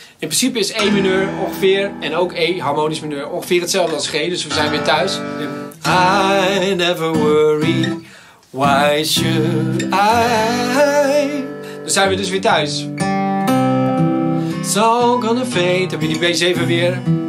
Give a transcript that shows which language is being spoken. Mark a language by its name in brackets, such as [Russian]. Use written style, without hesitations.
[Dutch] In principe is E mineur ongeveer, en ook E harmonisch mineur, ongeveer hetzelfde als G. Dus we zijn weer thuis. [English] I never worry, why should I? [Dutch] Dan zijn we dus weer thuis. [English] Song on the fate, [Dutch] heb je die B7 weer.